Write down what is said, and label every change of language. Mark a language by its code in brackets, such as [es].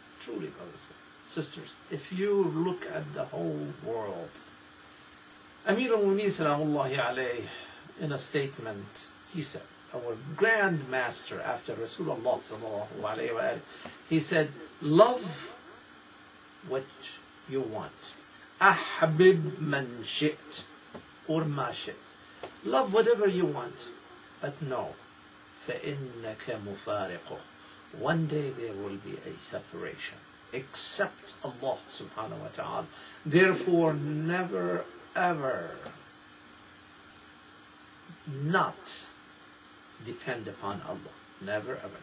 [en] Truly, brothers and sisters, if you look at the whole world, Amir al-Mu'mineen, salamullahi alayhi, in a statement, he said, our grand master after Rasulullah, salamullahi alayhi, he said, love what you want. [ar] أحبب من شئت or ما شئت. [en] Love whatever you want, but know, [ar] فإنك مفارقه. [en] One day there will be a separation. Except Allah subhanahu wa ta'ala. Therefore, never ever not depend upon Allah. Never ever.